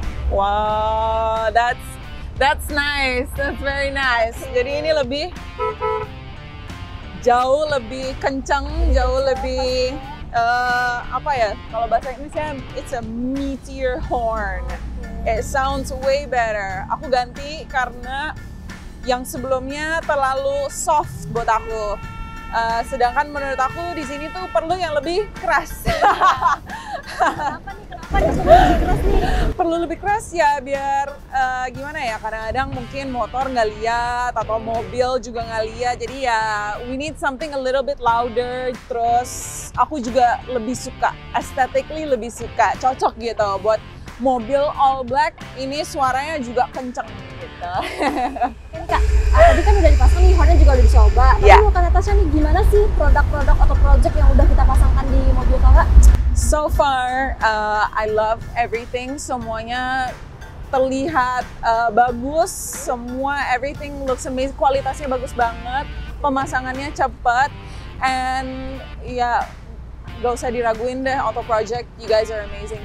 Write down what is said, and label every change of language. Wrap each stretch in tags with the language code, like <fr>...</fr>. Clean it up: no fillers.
<en>Wow, That's nice, that's very nice. Okay.</en> <id>Jadi ini lebih jauh lebih kencang, jauh lebih apa ya? Kalau bahasa Inggrisnya</id> <en>it's a meatier horn. Okay. It sounds way better.</en> <id>Aku ganti karena yang sebelumnya terlalu soft buat aku. Sedangkan menurut aku di sini tuh perlu yang lebih keras. Perlu lebih keras ya biar gimana ya, kadang-kadang mungkin motor nggak lihat atau mobil juga nggak lihat, jadi ya</id> <en>we need something a little bit louder.</en> <id>Terus aku juga lebih suka aesthetically, lebih suka cocok gitu buat mobil all black, ini suaranya juga kenceng gitu. Kak, tadi kan udah dipasang nih, hornnya juga udah dicoba. Tapi yeah. Mau kata Tasya nih, gimana sih produk-produk atau project yang udah kita pasangkan di mobil kakak?</id> <en>So far, I love everything.</en> <id>Semuanya terlihat bagus. Semua</id> <en>everything looks amazing.</en> <id>Kualitasnya bagus banget. Pemasangannya cepat. And gak usah diraguin deh.</id> <en>Auto Project, you guys are amazing.</en>